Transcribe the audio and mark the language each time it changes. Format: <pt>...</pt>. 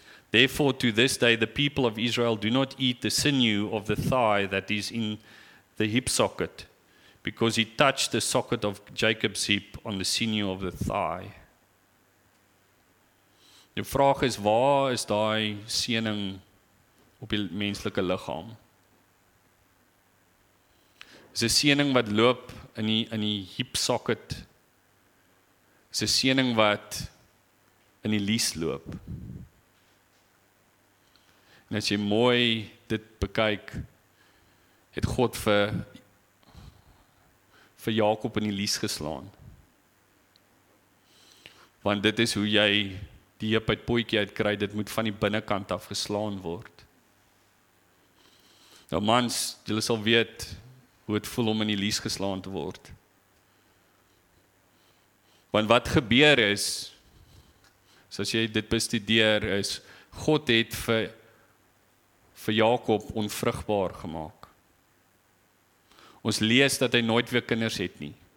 <en>Therefore, to this day, the people of Israel do not eat the sinew of the thigh that is in the hip socket, because he touched the socket of Jacob's hip on the sinew of the thigh."</en> <af>Die vraag is, waar is daai seëning op die menslike liggaam? Is 'n seëning wat loop in die</af> <en>hip socket?</en> <af>Is 'n seëning wat in die lies loop? En as jy mooi dit bekyk, het God vir Jakob in die lies geslaan. Want dit is hoe jy die heup uit pootjie uitkry, dit moet van die binnenkant af geslaan word. Nou mans, julle sal weet hoe het voel om in die lies geslaan te word. Want wat gebeur is, as jy dit bestudeer, is God het vir Jakob onvrugbaar gemaak. Ons lees dat hy nooit weer kinders het nie.</af>